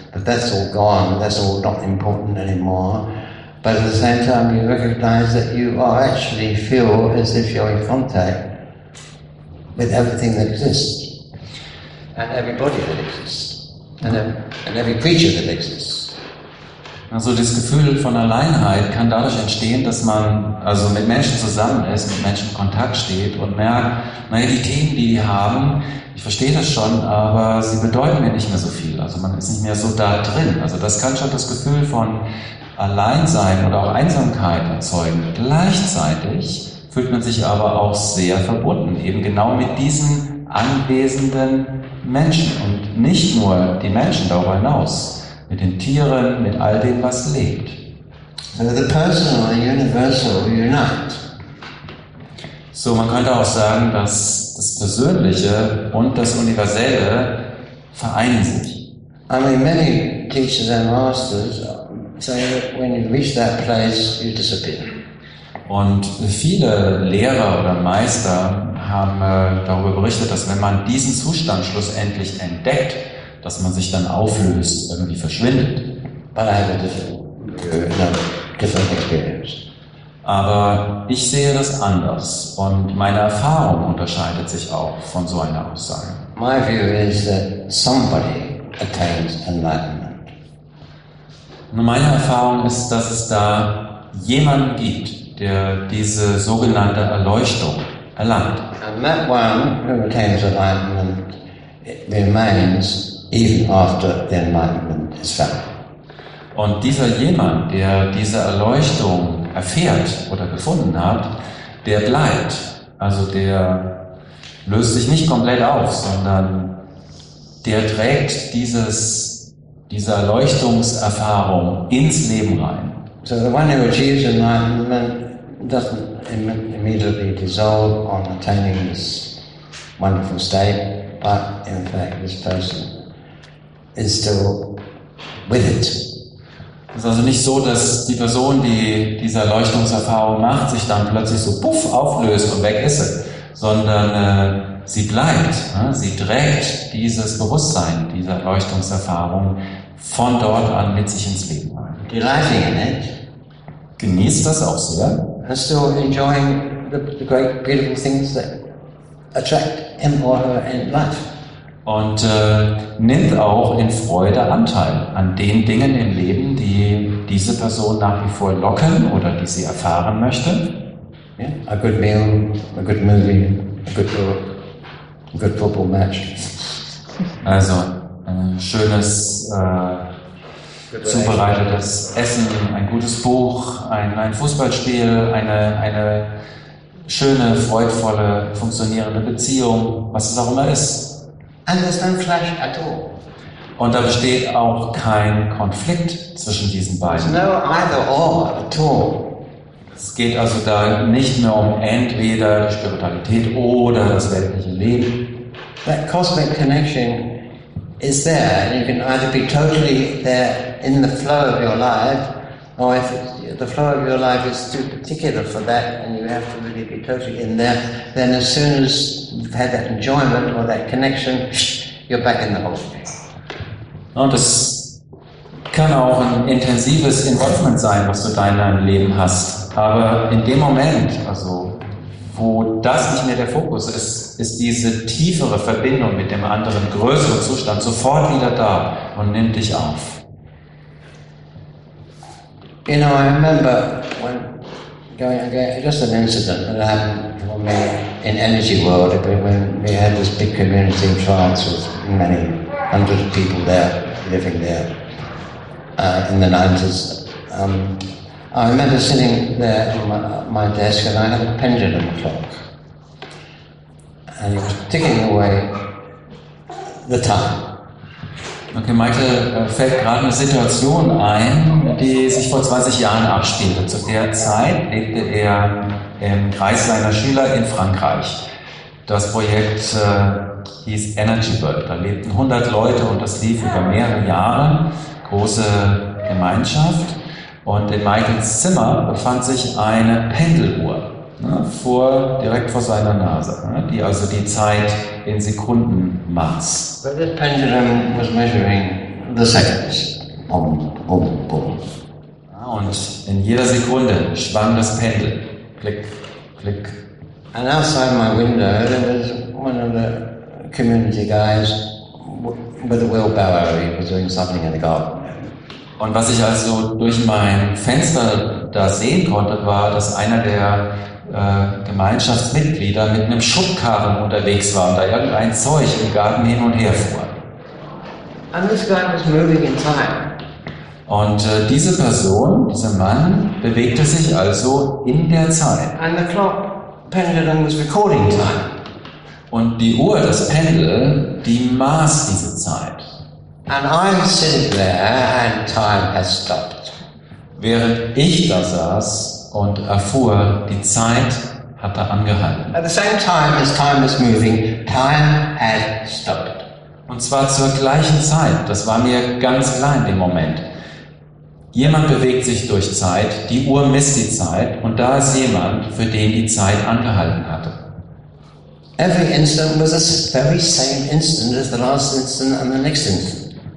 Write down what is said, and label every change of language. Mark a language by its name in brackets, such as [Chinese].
[English] But that's all gone, that's all not important anymore. But at the same time, you recognize that you are actually feel as if you're in contact with everything that exists and everybody that exists. And every creature that exists. [German] Also das Gefühl von Alleinheit kann dadurch entstehen, dass man also mit Menschen zusammen ist, mit Menschen in Kontakt steht und merkt, naja, die Themen, die die haben, ich verstehe das schon, aber sie bedeuten mir nicht mehr so viel. Also man ist nicht mehr so da drin. Also das kann schon das Gefühl von Alleinsein oder auch Einsamkeit erzeugen. Gleichzeitig fühlt man sich aber auch sehr verbunden, eben genau mit diesen anwesenden Menschen und nicht nur die Menschen darüber hinaus, mit den Tieren, mit all dem, was lebt. [English] So the personal and universal unite. [German] So, man könnte auch sagen, dass das Persönliche und das Universelle vereinen sich. [English] I mean, many teachers and masters say that when you reach that place, you disappear. [German] Und viele Lehrer oder Meister haben darüber berichtet, dass wenn man diesen Zustand schlussendlich entdeckt, dass man sich dann auflöst, irgendwie verschwindet. [English] But I have a different experience. [German] Aber ich sehe das anders und meine Erfahrung unterscheidet sich auch von so einer Aussage. [English] My view is that somebody attains enlightenment. [German] Nur meine Erfahrung ist, dass es da jemanden gibt, der diese sogenannte Erleuchtung erlangt. [English] And that one who attains enlightenment remains even after the enlightenment is found. [German] Und dieser jemand, der diese Erleuchtung erfährt oder gefunden hat, der bleibt. Also der löst sich nicht komplett auf, sondern der trägt diese Erleuchtungserfahrung ins Leben rein. [English] So the one who achieves enlightenment doesn't immediately dissolve on attaining this wonderful state, but in fact this person is still with it. [German] Es ist also nicht so, dass die Person, die diese Erleuchtungserfahrung macht, sich dann plötzlich so puff auflöst und weg ist, sondern sie bleibt, sie trägt dieses Bewusstsein, diese Erleuchtungserfahrung von dort an mit sich ins Leben ein. [English] Delighting in it. [German] Genießt das auch sehr. [English] And still enjoying the great beautiful things that attract him or her in life. [German] Und nimmt auch in Freude Anteil an den Dingen im Leben, die diese Person nach wie vor locken oder die sie erfahren möchte. [English] Yeah, a good meal, a good movie, a good book, a good football match. [German] Also ein schönes, zubereitetes Essen, ein gutes Buch, ein Fußballspiel, eine schöne, freudvolle, funktionierende Beziehung, was es auch immer ist. [English] And there's no clash at all. [German] Und da besteht auch kein Konflikt zwischen diesen beiden. [English] No either or at all. [German] Es geht also da nicht mehr um entweder die Spiritualität oder das weltliche Leben. [English] That cosmic connection is there, and you can either be totally there in the flow of your life, or if the flow of your life is too particular for that, and you have to really be totally in there, then as soon as you've had that enjoyment or that connection, you're back in the whole thing. [German] Und es kann auch ein intensives Involvement sein, was du in deinem Leben hast. Aber in dem Moment, also wo das nicht mehr der Fokus ist, ist diese tiefere Verbindung mit dem anderen, größere Zustand, sofort wieder da und nimmt dich auf. [English] You know, I remember when going again, just an incident that happened for me in energy world, when we had this big community in France with many hundreds of people there, living there in the 90s. I remember sitting there at my desk and I had a pendulum clock. And it was ticking away the time. [German] Okay, Michael, fällt gerade eine Situation ein, die sich vor 20 Jahren abspielte. Zu der Zeit lebte er im Kreis seiner Schüler in Frankreich. Das Projekt hieß Energy World. Da lebten 100 Leute und das lief über mehrere Jahre. Große Gemeinschaft. Und in Michaels Zimmer befand sich eine Pendeluhr, direkt vor seiner Nase, die also die Zeit in Sekunden maß. [English] But this pendulum was measuring the seconds. Boom, boom, boom. [German] Und in jeder Sekunde schwang das Pendel. Klick, klick. [English] And outside my window there was one of the community guys with a wheelbarrow. He was doing something in the garden. [German] Und was ich also durch mein Fenster da sehen konnte, war, dass einer der Gemeinschaftsmitglieder mit einem Schubkarren unterwegs waren, da irgendein Zeug im Garten hin und her fuhr. [English] And this guy was moving in time. [German] Und diese Person, dieser Mann, bewegte sich also in der Zeit. [English] And the clock pendulum was recording time. [German] Und die Uhr, das Pendel, die maß diese Zeit. [English] And I'm sitting there and time has stopped. [German] Während ich da saß, und erfuhr, die Zeit hat da angehalten. [English] At the same time as time is moving, time has stopped. [German] Und zwar zur gleichen Zeit. Das war mir ganz klar in dem Moment. Jemand bewegt sich durch Zeit, die Uhr misst die Zeit und da ist jemand, für den die Zeit angehalten hatte. [English] Every instant was the very same instant as the last instant and the next instant.